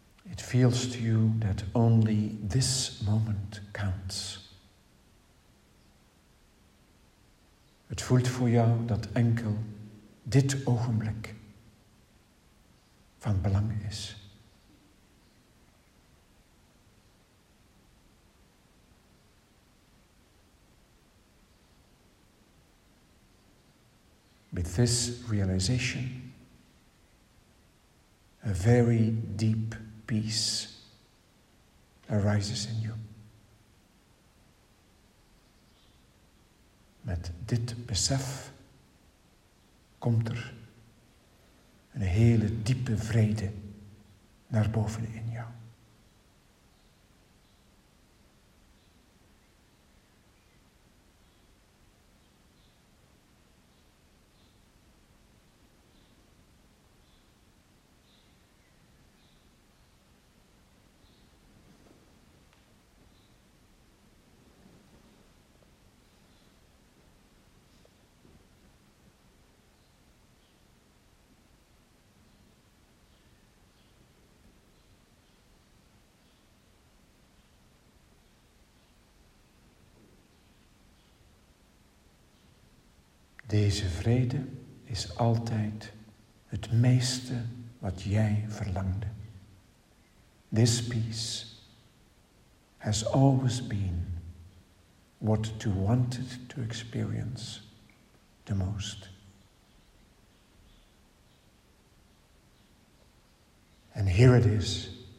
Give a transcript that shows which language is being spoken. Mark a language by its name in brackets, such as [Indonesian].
[English] It feels to you that only this moment counts. [Dutch] Het voelt voor jou dat enkel dit ogenblik van belang is. [English] With this realization, a very deep peace arises in you. [Dutch] Met dit besef komt er een hele diepe vrede naar boven in jou. Deze vrede is altijd het meeste wat jij verlangde. [English] This peace has always been what you wanted to experience the most. And here it is.